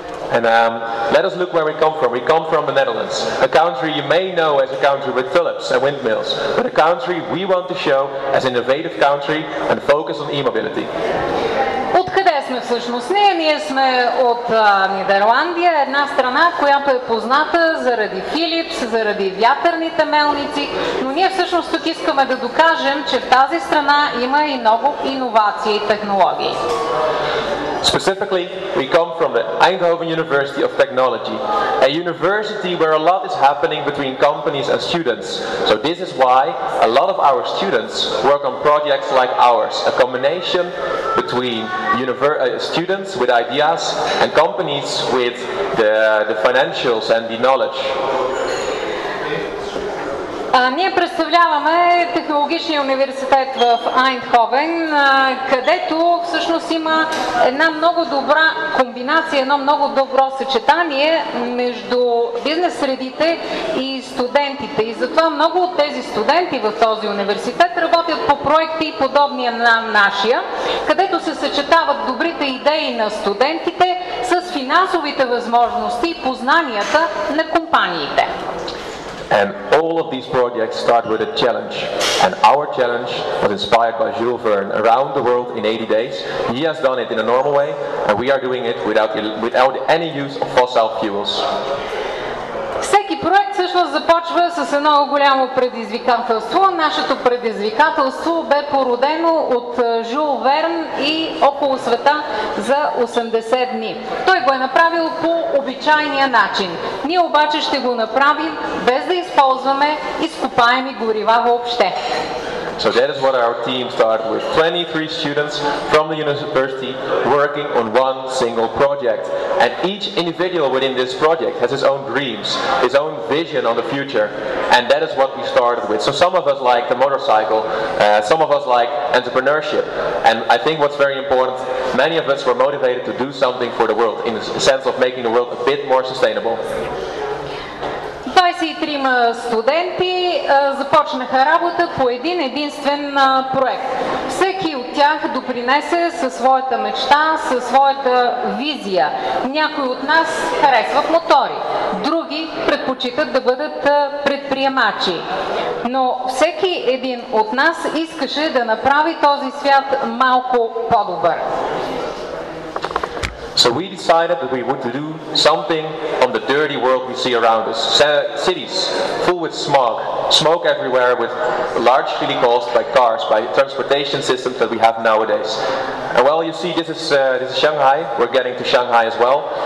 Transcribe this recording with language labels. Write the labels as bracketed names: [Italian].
[English] And let us look where we come from. We come from the Netherlands, a country you may know as a country with Philips and windmills, but a country we want to show as an innovative country and focus on e-mobility. [Bulgarian] Откъде сме всъщност? Ние сме от Нидерландия, една страна, която е позната заради Philips, заради вятърните мелници, но ние всъщност тук искаме да докажем, че в тази страна има и много иновации и технологии. [English] Specifically, we come from the Eindhoven University of Technology, a university where a lot is happening between companies and students. So this is why a lot of our students work on projects like ours, a combination between students with ideas and companies with the financials and the knowledge. [Bulgarian] Ние представляваме технологичния университет в Айндховен, където всъщност има една много добра комбинация, едно много добро съчетание между бизнес средите и студентите. И затова много от тези студенти в този университет работят по проекти подобни на нашия, където се съчетават добрите идеи на студентите с финансовите възможности и познанията на компаниите. [English] And all of these projects start with a challenge. And our challenge was inspired by Jules Verne around the world in 80 days. He has done it in a normal way, and we are doing it without any use of fossil fuels. [Bulgarian] Всеки проект всъщност започва с едно голямо предизвикателство. Нашето предизвикателство бе породено от Жул Верн и около света за 80 дни. Той го е направил по обичайния начин. Ние обаче ще го направим без да използваме изкопаеми горива въобще. [English] So that is what our team started with. 23 students from the university working on one single project. And each individual within this project has his own dreams, his own vision on the future. And that is what we started with. So some of us like the motorcycle, some of us like entrepreneurship. And I think what's very important, many of us were motivated to do something for the world in the sense of making the world a bit more sustainable. [Bulgarian] 23 студенти започнаха работа по един единствен проект. Всеки от тях допринесе със своята мечта, със своята визия. Някои от нас харесват мотори, други предпочитат да бъдат предприемачи. Но всеки един от нас искаше да направи този свят малко по-добър. [English] So we decided that we would do something on the dirty world we see around us. Cities full with smog, smoke everywhere, with largely caused by cars, by transportation systems that we have nowadays. And well, you see, this is Shanghai. We're getting to Shanghai as well.